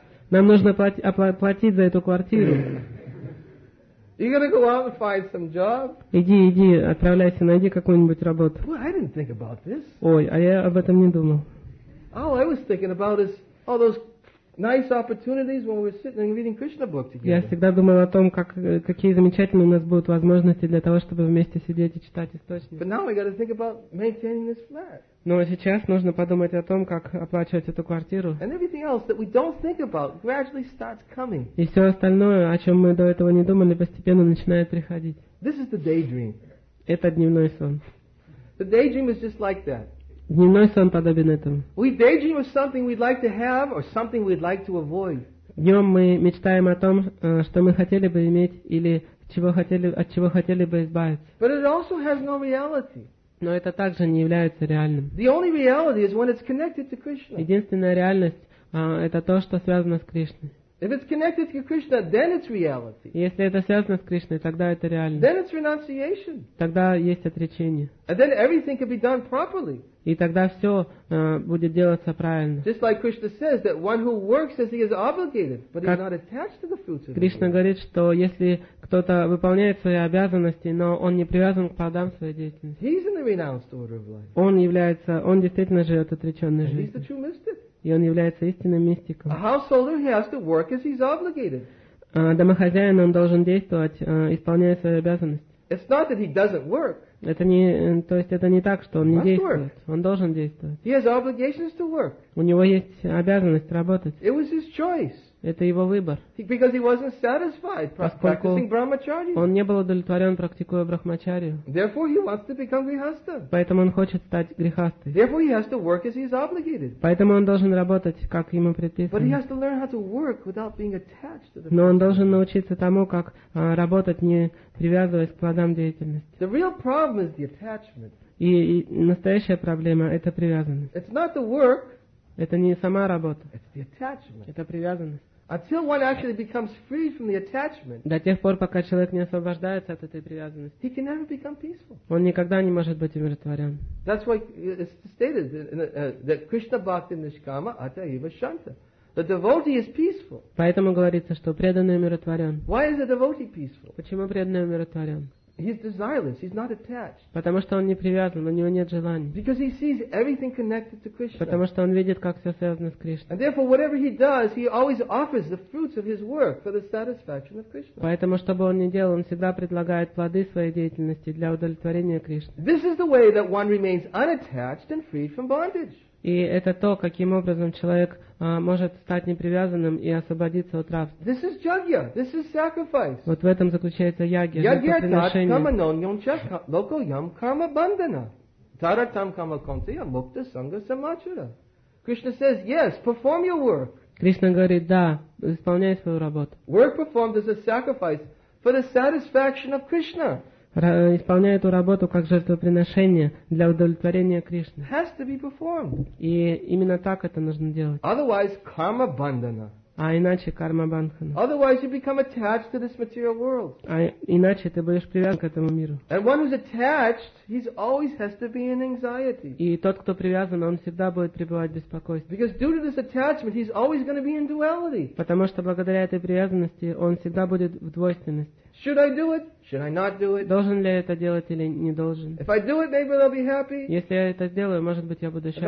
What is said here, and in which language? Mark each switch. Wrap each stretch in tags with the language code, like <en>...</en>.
<ru>Нам нужно платить за эту квартиру.</ru> <en>You gotta go out and find some job.</en> <ru>Иди, отправляйся, найди какую-нибудь работу.</ru> <en>Well, I didn't think about this.</en> <ru>Ой, а я об этом не думал.</ru> <en>All I was thinking about is all those nice opportunities when we were sitting and reading Krishna book together.</en> <ru>Я всегда думал о том, какие замечательные у нас будут возможности для того, чтобы вместе сидеть и читать источники.</ru> <en>But now we gotta think about maintaining this flat.</en> <ru>Но сейчас нужно подумать о том, как оплачивать эту квартиру.</ru> <en>And everything else that we don't think about gradually starts coming.</en> <ru>И все остальное, о чем мы до этого не думали, постепенно начинает приходить.</ru> <en>This is the daydream.</en> <ru>Это дневной сон.</ru> <en>The daydream is just like that.</en> <ru>Дневной сон подобен этому.</ru> <en>We daydream of something we'd like to have or something we'd like to avoid.</en> <ru>Днем мы мечтаем о том, что мы хотели бы иметь или от чего хотели бы избавиться.</ru> <en>But it also has no reality.</en> <ru>Но это также не является реальным.</ru> <en>The only reality is when it's connected to Krishna.</en> <ru>Единственная реальность это то, что связано с Кришной.</ru> <en>If it's connected to Krishna, then it's reality.</en> <ru>Если это связано с Кришной, тогда это реально.</ru> <en>Then it's renunciation.</en> <ru>Тогда есть отречение.</ru> <en>And then everything can be done properly.</en> <ru>И тогда все будет делаться правильно.</ru> <en>Just like Krishna says that one who works as he is obligated, but he's not attached to the fruits of.</en> <ru>Кришна говорит, что если кто-то выполняет свои обязанности, но он не привязан к плодам своей деятельности.</ru> <en>He's in the renounced order of life.</en> <ru>Он действительно живет отреченной жизнью.</ru> <en>He's the true mystic.</en> <ru>И он является истинным мистиком.</ru> <en>A householder has to work as he's obligated.</en> <ru>Домохозяин, он должен действовать, исполняя свои обязанности.</ru> <en>It's not that he doesn't work.</en> <ru>Это не так, что он не действует.</ru> <en>Work.</en> <ru>Он должен действовать.</ru> <en>He has obligations to work.</en> <ru>У него есть обязанность работать.</ru> <en>It was his choice.</en> <ru>Это его выбор.</ru> <en>Because he wasn't satisfied practicing brahmacharya.</en> <ru>Он не был удовлетворен, практикуя брахмачарию.</ru> <en>Therefore, he wants to become grihastha.</en> <ru>Поэтому он хочет стать грихастой.</ru> <en>Therefore, he has to work as he is obligated.</en> <ru>Поэтому он должен работать, как ему предписано.</ru> <en>But he has to learn how to work without being attached to the.</en> <ru>Но он должен научиться тому, как работать, не привязываясь к плодам деятельности.</ru> <en>The real problem is the attachment.</en> <ru>И настоящая проблема – это привязанность.</ru> <en>It's not the work.</en> <ru>Это не сама работа.</ru> <en>It's the attachment.</en> <ru>Это привязанность.</ru> <en>Until one actually becomes free from the attachment,</en> <ru>до тех пор, пока человек не освобождается от этой привязанности,</ru> <en>he can never become peaceful.</en> <ru>Он никогда не может быть умиротворен.</ru> <en>That's why it's stated that</en> <sa>Krishna Bhakti Nishkama Ata Eva Shanta.</sa> <en>The devotee is peaceful.</en> <ru>Поэтому говорится, что преданный умиротворен.</ru> <en>Why is the devotee peaceful?</en> <ru>Почему преданный умиротворен?</ru> <en>He's desireless. He's not attached.</en> <ru>Потому что он не привязан, у него нет желаний.</ru> <en>Because he sees everything connected to Krishna.</en> <ru>Потому что он видит, как все связано с Кришной.</ru> <en>And therefore, whatever he does, he always offers the fruits of his work for the satisfaction of Krishna.</en> <ru>Поэтому, что бы он ни делал, он всегда предлагает плоды своей деятельности для удовлетворения Кришны.</ru> <en>This is the way that one remains unattached and freed from bondage.</en> <ru>И это то, каким образом человек может стать непривязанным и освободиться от рабства.</ru> <en>This is yagya, this is sacrifice.</en> <ru>Вот в этом заключается ягья, жертвоприношение.</ru> <en>Krishna says, yes, perform your work.</en> <ru>Кришна говорит, да, исполняй свою работу.</ru> <en>Work performed as a sacrifice for the satisfaction of Krishna.</en> <ru>Исполняя эту работу как жертвоприношение для удовлетворения Кришны.</ru> <en>Has to be performed.</en> <ru>И именно так это нужно делать.</ru> <en>Otherwise,</en> <sa>karma bandhana.</sa> <ru>А иначе карма бандхана.</ru> <en>Otherwise, you become attached to this material world.</en> <ru>А иначе ты будешь привязан к этому миру.</ru> <en>And one who's attached, he's always has to be in anxiety.</en> <ru>И тот, кто привязан, он всегда будет пребывать в беспокойстве.</ru> <en>Because due to this attachment, he's always going to be in duality.</en> <ru>Потому что благодаря этой привязанности он всегда будет в двойственности.</ru> <en>Should I do it? Should I not do it?</en> <ru>Должен ли я это делать или не должен?</ru> <en>If I do it, maybe they'll be happy.</en> <ru>Если я это сделаю, может быть, я буду счастлив.</ru>